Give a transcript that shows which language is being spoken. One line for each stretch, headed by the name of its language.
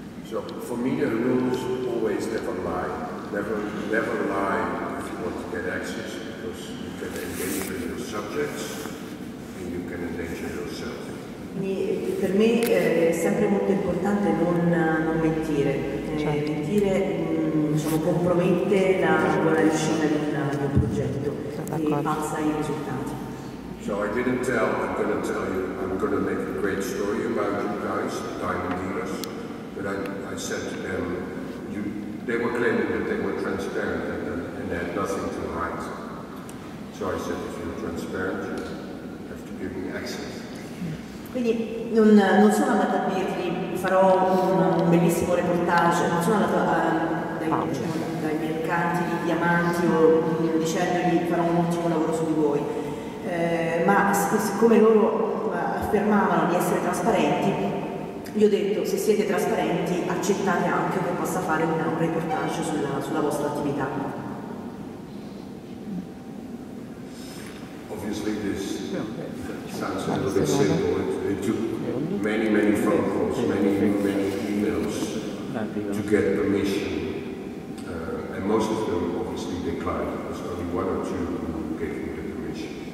English: So for me the rules always never lie. Never lie if you want to get access, because can endanger your subjects and you can endanger yourself.
Italian: Per me è sempre molto importante non mentire. Cioè, mentire compromette la buona riuscita del progetto e falsa i risultati.
English: So I didn't tell, I'm gonna tell you, I'm gonna make a great story about you guys, the diamond dealers, but I said to them, they were claiming that they were transparent and they had nothing to hide. So I said, if you're transparent, you have to give me access.
Italian: Quindi non sono andata a dirgli, farò un bellissimo reportage, non sono andata dai mercanti di diamanti o dicendogli farò un ottimo lavoro su di voi, ma siccome loro affermavano di essere trasparenti, gli ho detto, se siete trasparenti, accettate anche che possa fare un reportage sulla vostra attività.
English: Obviously this sounds a little bit simple. It took many, many phone calls, many emails to get permission. And most of them obviously declined. It was only one or two who gave me the permission.